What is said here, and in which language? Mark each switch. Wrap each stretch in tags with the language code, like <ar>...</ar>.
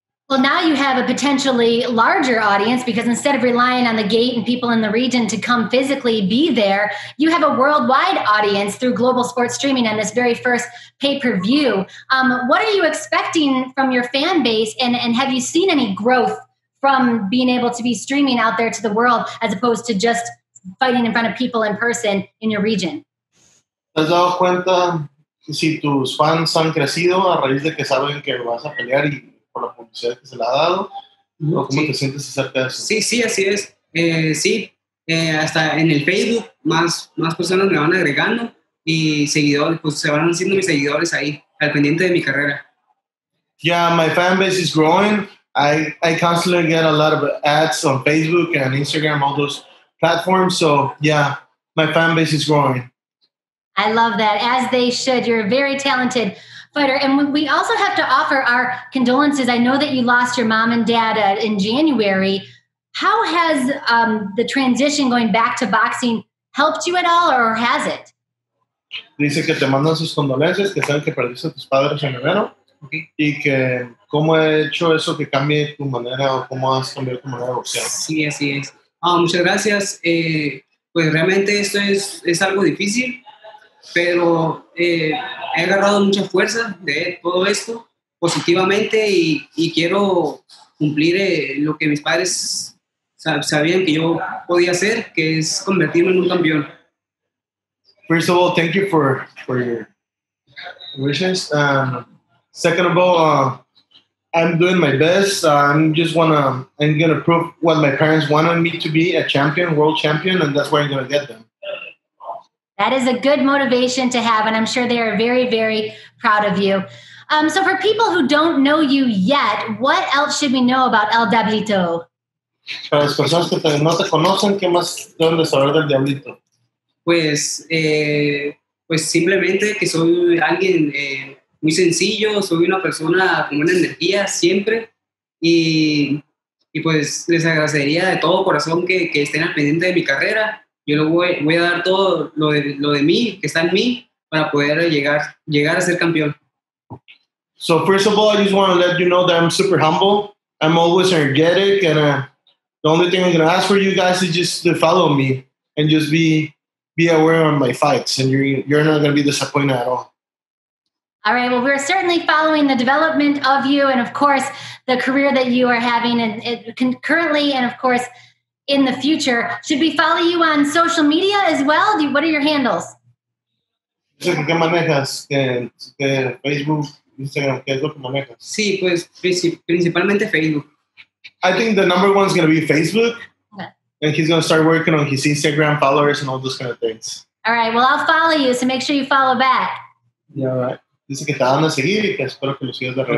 <en>Well, now you have a potentially larger audience, because instead of relying on the gate and people in the region to come physically be there, you have a worldwide audience through global sports streaming on this very first pay-per-view. What are you expecting from your fan base, and have you seen any growth from being able to be streaming out there to the world as opposed to just fighting in front of people in person in your region?</en> <es>¿Te has dado cuenta si tus fans han crecido a raíz de que saben que vas a pelear y por la publicidad que se la ha dado? ¿O cómo sí. Te sientes acerca de eso? Sí, sí, así es. Hasta en el Facebook más personas me van agregando y seguidores, pues se van haciendo mis seguidores ahí, al pendiente de mi carrera.</es> <en>Yeah, my fan base is growing. I constantly get a lot of ads on Facebook and Instagram, all those platforms. So, yeah, my fan base is growing. I love that, as they should. You're a very talented fighter. And we also have to offer our condolences. I know that you lost your mom and dad in January. How has the transition going back to boxing helped you at all, or has it?</en> <es>Dice que te mandan sus condolencias, que saben que perdiste a tus padres en enero. Y que, ¿cómo ha hecho eso que cambie tu manera o cómo has cambiado tu manera de boxear? Sí, así es. Muchas gracias. Pues realmente esto es algo difícil, pero he agarrado mucha fuerza de todo esto positivamente y quiero cumplir lo que mis padres sabían que yo podía hacer, que es convertirme en un campeón.</es> <en>First of all, thank you for your wishes. Second of all, I'm doing my best. I'm going to prove what my parents wanted me to be, a champion, world champion, and that's where I'm going to get them. That is a good motivation to have, and I'm sure they are very, very proud of you. So for people who don't know you yet, what else should we know about El Diablito?</en> <es>Para las personas que no te conocen, ¿qué más deben de saber del Diablito? Pues simplemente que soy alguien muy sencillo, soy una persona con buena energía siempre, y pues les agradecería de todo corazón que estén al pendiente de mi carrera. Yo voy a dar todo lo de mí, que está en mí, para poder llegar a ser campeón.</es> <en>So first of all, I just want to let you know that I'm super humble. I'm always energetic, and the only thing I'm going to ask for you guys is just to follow me and just be aware of my fights, and you're not going to be disappointed at all. All right. Well, we're certainly following the development of you and, of course, the career that you are having and concurrently and, of course, in the future. Should we follow you on social media as well? What are your handles?</en> <es>¿Qué manejas? Facebook, Instagram, ¿qué es lo que manejas? Sí, pues principalmente Facebook.</es> <en>I think the number one is going to be Facebook. Okay. And he's going to start working on his Instagram followers and all those kind of things. All right. Well, I'll follow you, so make sure you follow back. Yeah, all right.</en> <es>Dice que te van a seguir y que espero que lo sigas de regreso.</es>